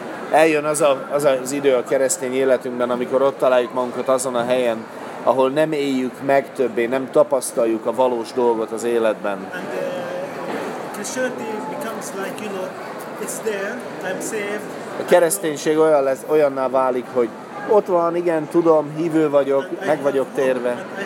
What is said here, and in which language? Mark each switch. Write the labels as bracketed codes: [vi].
[hu] Eljön az idő a keresztény életünkben, amikor ott találjuk magunkat azon a helyen, ahol nem éljük meg többé, nem tapasztaljuk a valós dolgot az életben. [en] And Christianity becomes like, you know, it's there, I'm saved. [hu] A kereszténység olyan lesz, olyanná válik, hogy ott van, igen, tudom, hívő vagyok, meg vagyok térve.